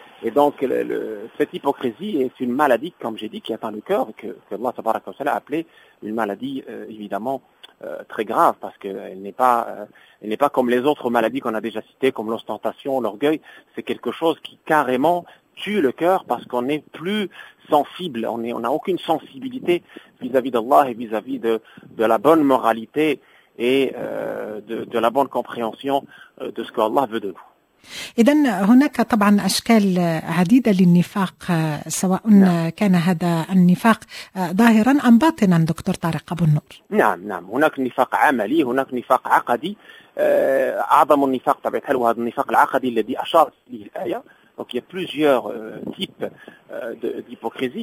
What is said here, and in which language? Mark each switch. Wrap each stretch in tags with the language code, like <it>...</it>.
<fr>Et donc cette hypocrisie est une maladie, comme j'ai dit, qui atteint le cœur, que Allah tabaraka wa ta'ala a appelé une maladie évidemment très grave, parce qu'elle n'est pas comme les autres maladies qu'on a déjà citées, comme l'ostentation, l'orgueil. C'est quelque chose qui carrément tue le cœur, parce qu'on n'est plus sensible, on n'a aucune sensibilité vis-à-vis d'Allah et vis-à-vis de la bonne moralité et de la bonne compréhension de ce qu'Allah veut de nous.</fr> <ar>إذن هناك طبعا أشكال عديدة للنفاق، سواء كان هذا النفاق ظاهرا أم باطنا دكتور طارق أبو النور. نعم نعم، هناك نفاق عملي، هناك نفاق عقدي. أعظم النفاق طبعا هو هذا النفاق العقدي الذي أشار إليه الآية.</ar> <fr>Donc il y a plusieurs types d'hypocrisie.</fr>